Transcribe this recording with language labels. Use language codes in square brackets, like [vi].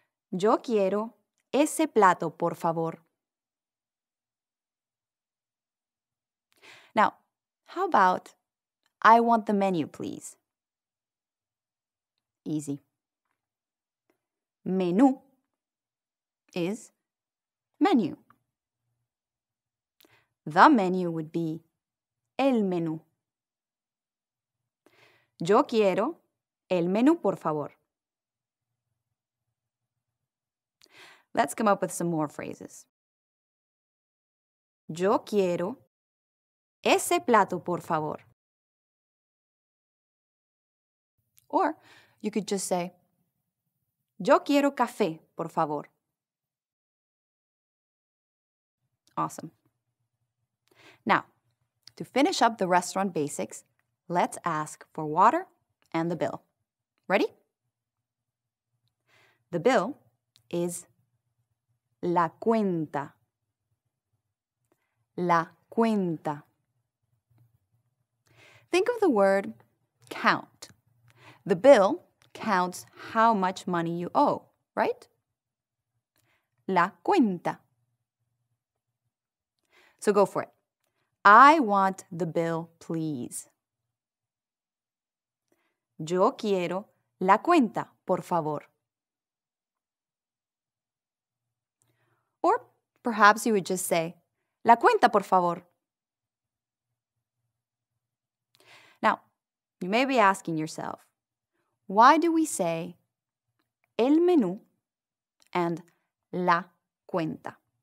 [es] Yo quiero ese plato, por favor. [en] Now, how about I want the menu, please? Easy. Menú is menu. The menu would be [es] el menú. Yo quiero el menú, por favor. [en] Let's come up with some more phrases. [es] Yo quiero ese plato, por favor. [en] Or you could just say, [es] yo quiero café, por favor. [en] Awesome. Now, to finish up the restaurant basics, let's ask for water and the bill. Ready? The bill is [es] la cuenta. La cuenta. [en] Think of the word count. The bill counts how much money you owe, right? [es] La cuenta. [en] So go for it. I want the bill, please. [es] Yo quiero la cuenta, por favor. [en] Or perhaps you would just say, [es] la cuenta, por favor. [en] Now, you may be asking yourself, why do we say el menú and la cuenta?